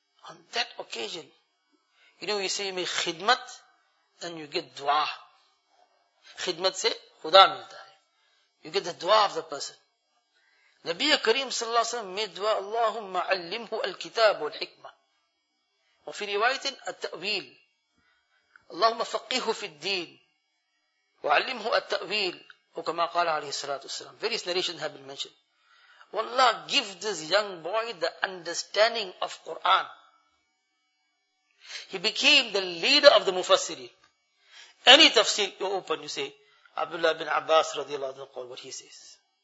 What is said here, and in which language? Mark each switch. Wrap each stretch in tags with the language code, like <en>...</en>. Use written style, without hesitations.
<en>On that occasion, you know, you say you make khidmat and you get dua.</en> <ur>Khidmat say, khuda milta hai.</ur> <en>You get the dua of the person. Nabi Kareem sallallahu alayhi wa sallam made dua,</en> <ar>Allahumma allimhu al-kitab wal-hikmah. وفي رواية التأويل اللهم فقهه في الدين وعلمه التأويل. وكما قال عليه الصلاة والسلام,</ar> <en>various narrations have been mentioned. Wallah, give this young boy the understanding of Quran. He became the leader of the Mufassirin. Any tafsir you open, you say, Abdullah bin Abbas radiallahu anhu, call what he says.</en>